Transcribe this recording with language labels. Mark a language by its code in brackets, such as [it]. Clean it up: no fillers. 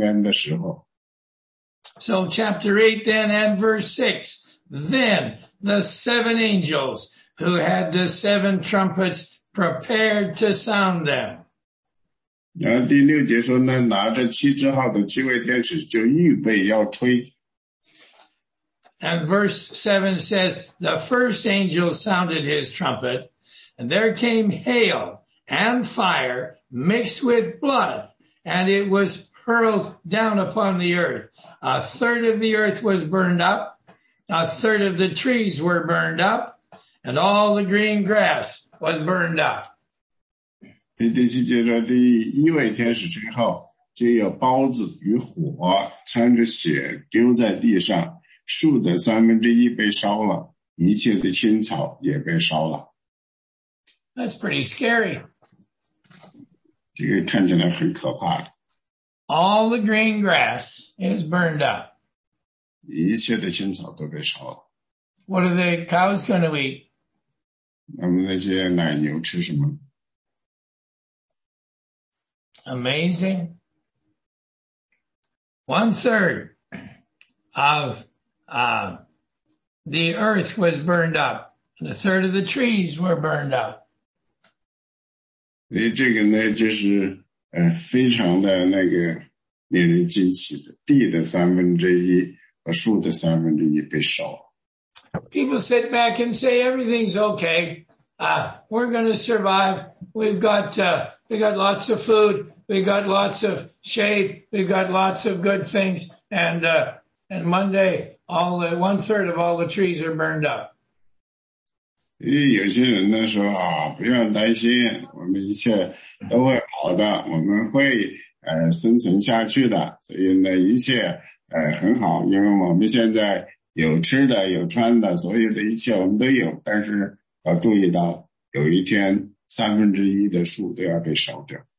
[zh] 当你受到悲伤和麻烦的时候，不要悲伤，因为实际上主说有一天我会为你伸冤的。这里圣经的这一部分就是那一天主为你伸冤的时候。 [en] So chapter 8 then and verse 6. Then the seven angels who had the seven trumpets prepared to sound them. [zh] 然后第六节说呢, 拿着七支号的七位天使就预备要吹。 [en] And verse 7 says, the first angel sounded his trumpet, and there came hail and fire mixed with blood, and it was hurled down upon the earth. A third of the earth was burned up, a third of the trees were burned up, and all the green grass was burned up. [zh] 第七节说，第一位天使吹号，就有包子与火掺着血丢在地上，树的三分之一被烧了，一切的青草也被烧了。 [en] That's pretty scary. [zh] 这个看起来很可怕。 [en] All the green grass is burned up. [zh] 一切的青草都被烧了。 [en] What are the cows going to eat? [zh] 那么那些奶牛吃什么？ [en] Amazing. One third of, the earth was burned up. The third of the trees were burned up. [zh] 所以这个呢就是非常的那个令人惊奇的。地的三分之一和树的三分之一被烧。 [en] People sit back and say everything's okay. We're going to survive. We've got lots of food. We've got lots of shade. We've got lots of good things. And Monday, one third of all the trees are burned up. [zh] 因为有些人呢说啊，不要担心，我们一切都会好的，我们会生存下去的，所以呢一切很好，因为我们现在有吃的有穿的，所有的一切我们都有，但是要注意到有一天三分之一的树都要被烧掉。